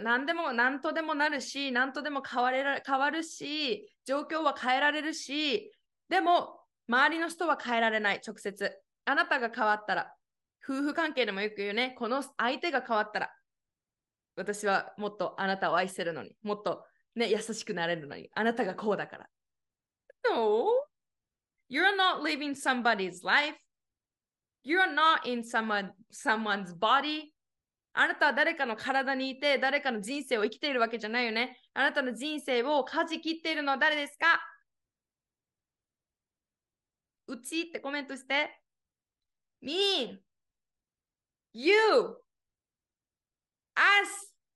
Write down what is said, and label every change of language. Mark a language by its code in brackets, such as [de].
[ja] 何とでもなるし、何とでも変わるし、状況は変えられるし、でも周りの人は変えられない。直接あなたが変わったら、夫婦関係でもよく言うね、この相手が変わったら、私はもっとあなたを愛せるのに、もっとね、優しくなれるのに、あなたがこうだから。 [en] No, you're not living somebody's life. You're not in someone's body. [ja] あなたは誰かの体にいて、誰かの人生を生きているわけじゃないよね。あなたの人生を舵切っているのは誰ですか？うちってコメントして。 [en] Me, you, us.